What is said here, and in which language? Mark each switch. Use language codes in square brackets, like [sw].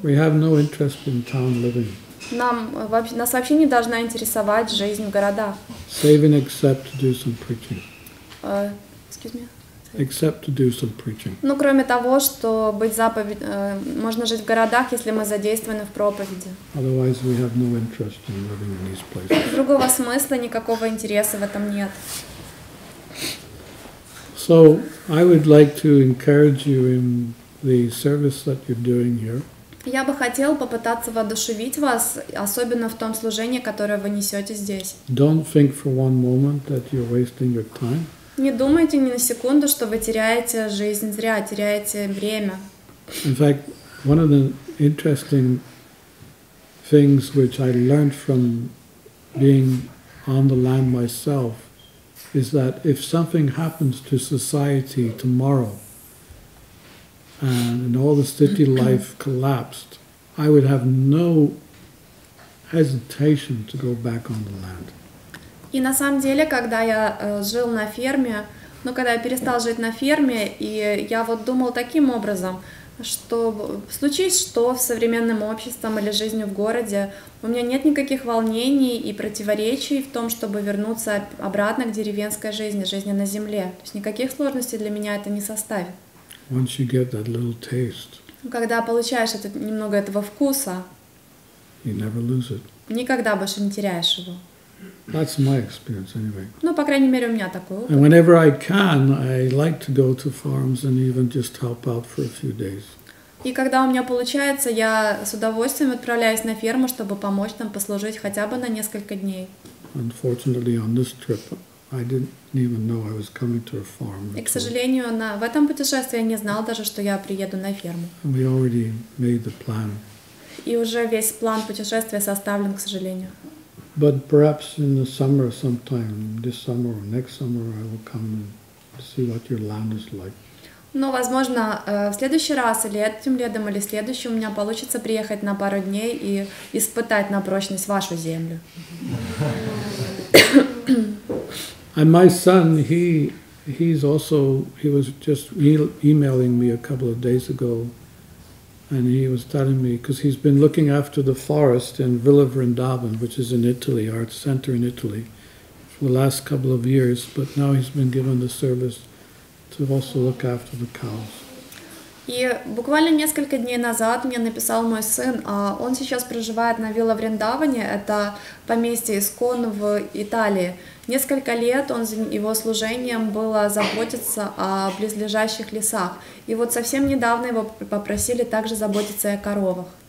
[en] We have no interest in town living. [ru] Нас вообще не должна интересовать жизнь в городах. [en] Save and accept to do some preaching. Excuse me. Except to do some preaching. [ru] Ну, кроме того, что быть заповедь, можно жить в городах, если мы задействованы в проповеди. [en] Otherwise, we have no interest in living in these places. [ru] Другого смысла, никакого интереса в этом нет. [en] So, I would like to encourage you in the service that you're doing here. [ru] Я бы хотел попытаться воодушевить вас, особенно в том служении, которое вы несете здесь. [en] Don't think for one moment that you're wasting your time. [ru] Не думайте ни на секунду, что вы теряете жизнь зря, теряете время. [en] In fact, one of the interesting things which I learned from being on the land myself is that if something happens to society tomorrow and all the city life collapsed, I would have no hesitation to go back on the land. [ru] И на самом деле, когда я жил на ферме, ну, когда я перестал жить на ферме, и я вот думал таким образом, что случись что в современном обществе или жизни в городе, у меня нет никаких волнений и противоречий в том, чтобы вернуться обратно к деревенской жизни, жизни на земле. То есть никаких сложностей для меня это не составит. [en] Once you get that little taste, [ru] когда получаешь это, немного этого вкуса, [en] you never lose it. [ru] Никогда больше не теряешь его. [en] That's my experience, anyway. [ru] Ну, по крайней мере, у меня такой опыт. [en] And whenever I can, I like to go to farms and even just help out for a few days. [ru] И когда у меня получается, я с удовольствием отправляюсь на ферму, чтобы помочь там, послужить хотя бы на несколько дней. [en] Unfortunately, on this trip, I didn't even know I was coming to a farm. [ru] И, к сожалению, в этом путешествии я не знал даже, что я приеду на ферму. [en] And we already made the plan. [ru] И уже весь план путешествия составлен, к сожалению. [en] But perhaps in the summer, sometime this summer or next summer, I will come and see what your land is like. [ru] Но, возможно, в следующий раз или этим летом или следующим у меня получится приехать на пару дней и испытать на прочность вашу землю. [en] And my son, he was emailing me a couple of days ago, and he was telling me, because he's been looking after the forest in Villa Vrindavan, which is in Italy, our center in Italy, for the last couple of years, but now he's been given the service to also look after the cows. [ru] И буквально несколько дней назад мне написал мой сын, он сейчас проживает на Вилла Вриндаване, это поместье Искон в Италии. Несколько лет он, его служением было заботиться о близлежащих лесах. И вот совсем недавно его попросили также заботиться и о коровах.